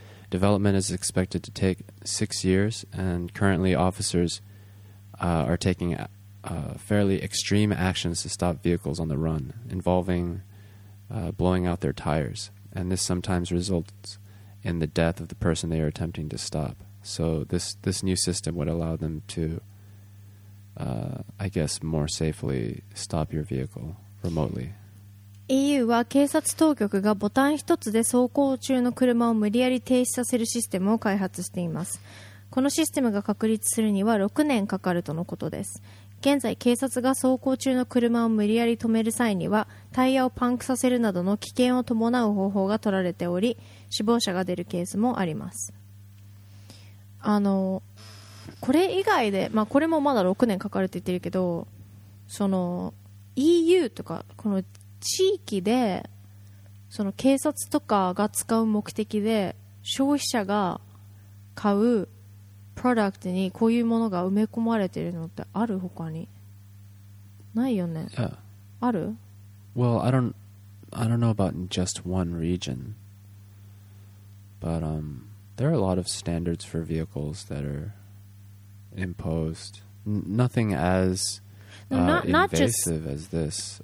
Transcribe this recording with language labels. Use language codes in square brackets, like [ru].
[en] Development is expected to take 6 years, and currently officers are taking fairly extreme actions to stop vehicles on the run, involving blowing out their tires. And this sometimes results in the death of the person they are attempting to stop. So this new system would allow them to... I guess more safely stop your vehicle remotely. [ja] EU は警察当局がボタン一つで走行中の車を無理やり停止させるシステムを開発しています。このシステムが確立するには6年かかるとのことです。現在警察が走行中の車を無理やり止める際にはタイヤをパンクさせるなどの危険を伴う方法が取られており、死亡者が出るケースもあります。これ以外で、まあ、これもまだ6年かかるって言ってるけど、その EU とかこの地域でその警察とかが使う目的で消費者が買うプロダクトにこういうものが埋め込まれてるのってある？他にないよね。 [en] Yeah. [ja] ある？ [en] Well, I don't know about just one region, but there are a lot of standards for vehicles that areimposed. Nothing as invasive as this.